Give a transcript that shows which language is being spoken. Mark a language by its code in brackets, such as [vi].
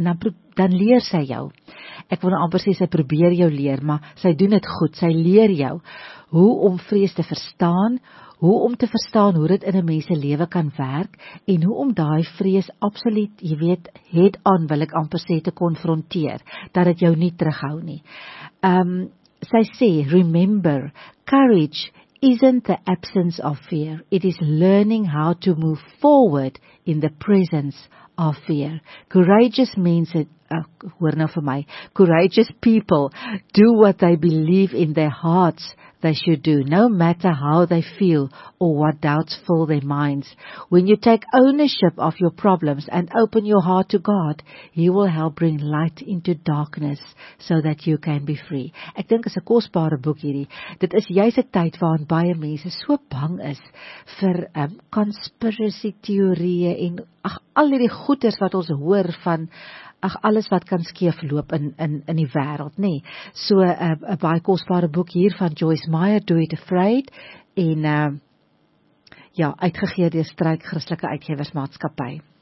[af] En dan leer sy jou, ek wil nou amper sê sy probeer jou leer, maar sy doen het goed, sy leer jou hoe om vrees te verstaan, hoe om te verstaan hoe dit in 'n mens se lewe kan werk, en hoe om daai vrees absoluut, jy weet, het aan, wil ek amper sê, te konfronteer, dat het jou nie terughou nie. Sy sê, [en] remember, courage isn't the absence of fear, it is learning how to move forward in the presence of fear. Courageous means it, [af] hoor nou vir my, [en] courageous people do what they believe in their hearts they should do, no matter how they feel or what doubts fill their minds. When you take ownership of your problems and open your heart to God, He will help bring light into darkness so that you can be free. [af] Ek dink is 'n kosbare boek hierdie. Dit is juist 'n tyd waarin baie mense so bang is vir conspiracy teorieë en al hierdie goeders wat ons hoor van alles wat kan skeef loop in die wêreld, nê. So, 'n baie kosbare boek hier van Joyce Meyer, Do It Afraid, en uitgegee deur Struik Christelike Uitgeversmaatskappy.